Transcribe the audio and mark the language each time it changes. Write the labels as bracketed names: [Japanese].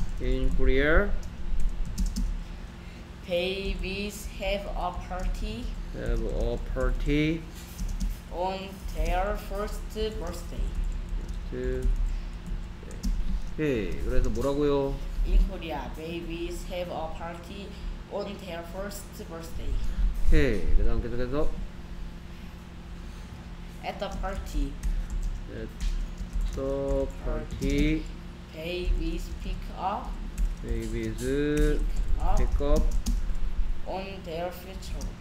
[English] In Korea, babies have a party have a party on their first birthday. [Korean] to 오케이, 그래서 뭐라고요? [English] In Korea, babies have a party on their first birthday. [Korean] 오케이, 그다음 계속해서 [English] At the party, at the party babies pick up babies pick pick up on their future.